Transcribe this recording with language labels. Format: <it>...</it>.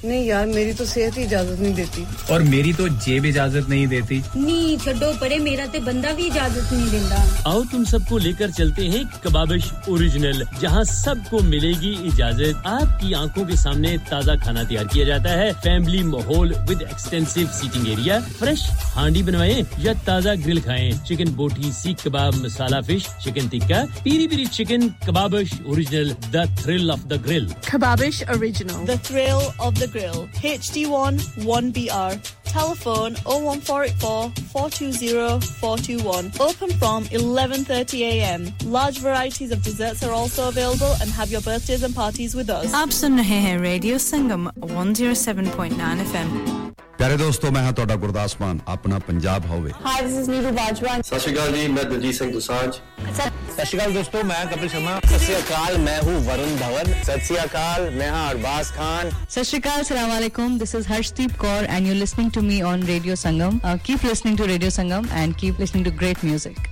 <hi>नहीं यार मेरी तो सेहत ही इजाजत नहीं देती। और मेरी तो जेब इजाजत नहीं देती। नहीं छोड़ो परे मेरा तो बंदा भी इजाजत नहीं देता। आओ तुम सबको लेकर चलते हैं कबाबिश ओरिजिनल जहां सबको मिलेगी इजाजत आपकी आंखों के सामने ताजा खाना तैयार किया जाता है family mahol</hi> <en>with extensive seating area, fresh</en> <hi>handi banwayein ya taza grill khayein.</hi> <en>Chicken boti, seekh kebab, masala fish, chicken tikka, piri piri chicken, kebabish original, the thrill of the grill. Kebabish original, the thrill of the grill. HD1 1BR. Telephone 01484-420-421. Open from 11:30 a.m. Large varieties of desserts are also available, and have your birthdays and parties with us. Aap sun rahe hain</en> <hi>Radio Sangam 107.9 FM.</hi> <pa>ਯਾਰੇ ਦੋਸਤੋ ਮੈਂ ਹਾਂ ਤੁਹਾਡਾ ਗੁਰਦਾਸ ਮਾਨ ਆਪਣਾ ਪੰਜਾਬ ਹੋਵੇ</pa> <en>hi this is Neeru Bajwa</en> <pa>ਸਤਿ ਸ਼੍ਰੀ ਅਕਾਲ ਜੀ ਮੈਂ ਦਲਜੀਤ ਸਿੰਘ ਦੁਸਾਂਝ ਸਤਿ ਸ਼੍ਰੀ ਅਕਾਲ ਦੋਸਤੋ ਮੈਂ ਕਪਿਲ ਸ਼ਰਮਾ ਸਤਿ ਸ਼੍ਰੀ ਅਕਾਲ ਮੈਂ ਹੂੰ ਵਰੁਣ ਧਵਨ ਸਤਿ ਸ਼੍ਰੀ ਅਕਾਲ ਮੈਂ ਹਾਂ ਅਰਬਾਸ ਖਾਨ ਸਤਿ ਸ਼੍ਰੀ ਅਕਾਲ ਅਸਲਾਮ ਅਲੈਕੁਮ</pa> <en>this is Harshdeep Kaur and you listening to me on radio Sangam keep listening to radio Sangam and keep listening to great music</en>